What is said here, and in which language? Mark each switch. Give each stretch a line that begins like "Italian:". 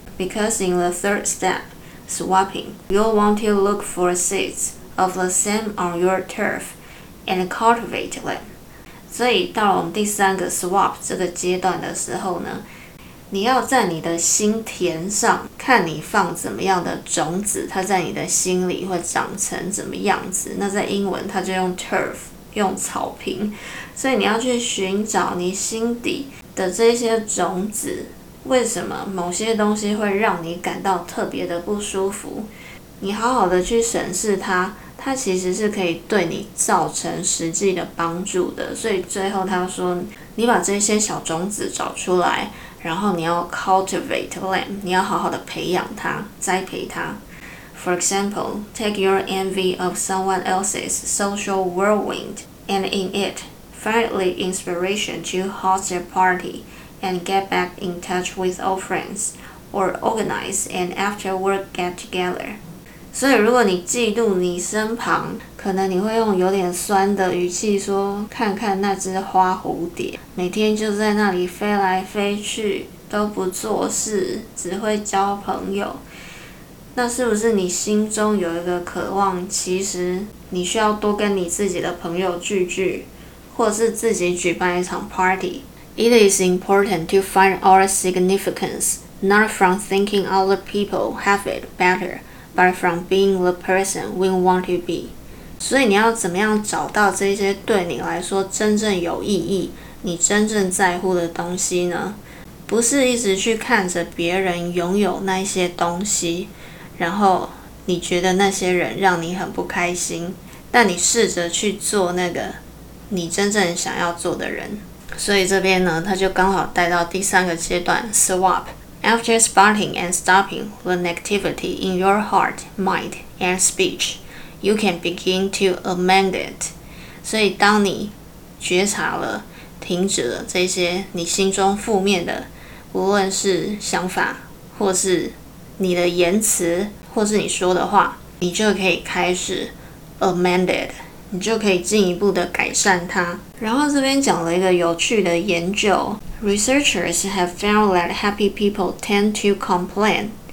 English: Because in the third step, swapping, you'll want to look for seeds of the same on your turf and cultivate them.
Chinese: 所以到了我们第三个 swap 这个阶段的时候呢，你要在你的心田上看你放怎么样的种子，它在你的心里会长成怎么样子。那在英文它就用 turf， 用草坪。所以你要去寻找你心底的这些种子，为什么某些东西会让你感到特别的不舒服，你好好的去审视它，它其实是可以对你造成实际的帮助的。所以最后他说，你把这些小种子找出来，然后你要
English: cultivate them，
Chinese: 你要好好的培养它，栽培它。
English: For example, take your envy of someone else's social whirlwind and in it, find the inspiration to host a party and get back in touch with old friends or organize an after work get together.
Chinese: 所以如果你嫉妒你身旁，可能你会用有点酸的语气说，看看那只花蝴蝶，每天就在那里飞来飞去，都不做事，只会交朋友。那是不是你心中有一个渴望，其实你需要多跟你自己的朋友聚聚，或是自己举办一场 party?
English: It is important to find our significance, not from thinking other people have it better, but from being the person we want to be.
Chinese: 所以你要怎么样找到这些对你来说真正有意义、你真正在乎的东西呢？不是一直去看着别人拥有那些东西，然后你觉得那些人让你很不开心，但你试着去做那个你真正想要做的人。所以这边呢，他就刚好带到第三个阶段 swap。
English: After spotting and stopping the negativity in your heart, mind, and speech,You can begin to amend it.
Chinese: 所以当你觉察了、停止了这些你心中负面的，无论是想法或是你的言辞或是你说的话，你就可以开始
English: amend it，
Chinese: 你就可以进一步的改善它。然后这边讲了一个有趣的研究，
English: Researchers have found that happy people tend to complain.